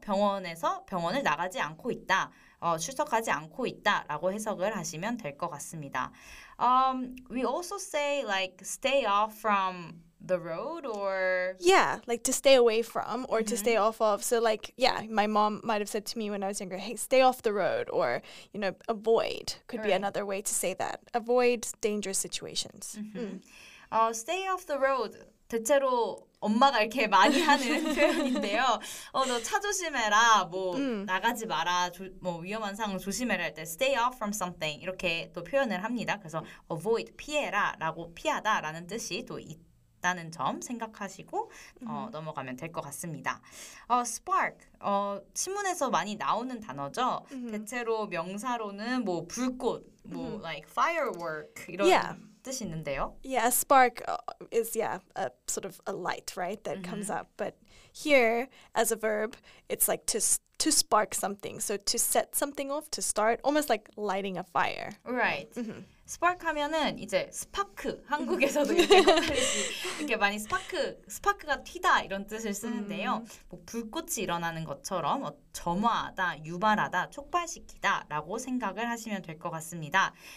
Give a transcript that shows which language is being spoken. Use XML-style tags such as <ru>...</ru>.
<ko>병원에서 병원을 나가지 않고 있다. 출석하지 않고 있다라고 해석을 하시면 될 것 같습니다.</ko> <en>We also say like stay off from the road or yeah, like to stay away from or to stay off of. So like yeah, my mom might have said to me when I was younger, hey, stay off the road or you know, avoid could be another way to say that. Avoid dangerous situations. Stay off the road.</en> <ko>대체로 엄마가 이렇게 많이 하는 표현인데요. 너 차 조심해라, 뭐 나가지 마라, 뭐 위험한 상황 조심해라 할 때</ko> <en>stay off from something</en> <ko>이렇게 또 표현을 합니다. 그래서 avoid, 피해라, 라고 피하다 라는 뜻이 또 있다는 점 생각하시고 넘어가면 될 것 같습니다. Spark, 신문에서 많이 나오는 단어죠. 대체로 명사로는 뭐 불꽃, 뭐</ko> <en>like firework</en> <ko>이런</ko> <en>Yeah, a spark is, yeah, a sort of a light, right, that comes up. But here, as a verb, it's like to spark something. So to set something off, to start, almost like lighting a fire. Right.</en> <ko>Spark 하면은 이제 스파크, 한국에서도 이렇게, 이렇게 많이 스파크가 튀다 이런 뜻을 쓰는데요. 뭐 불꽃이 일어나는 것처럼 점화하다, 유발하다, 촉발시키다 라고 생각을 하시면 될 것 같습니다.</ko>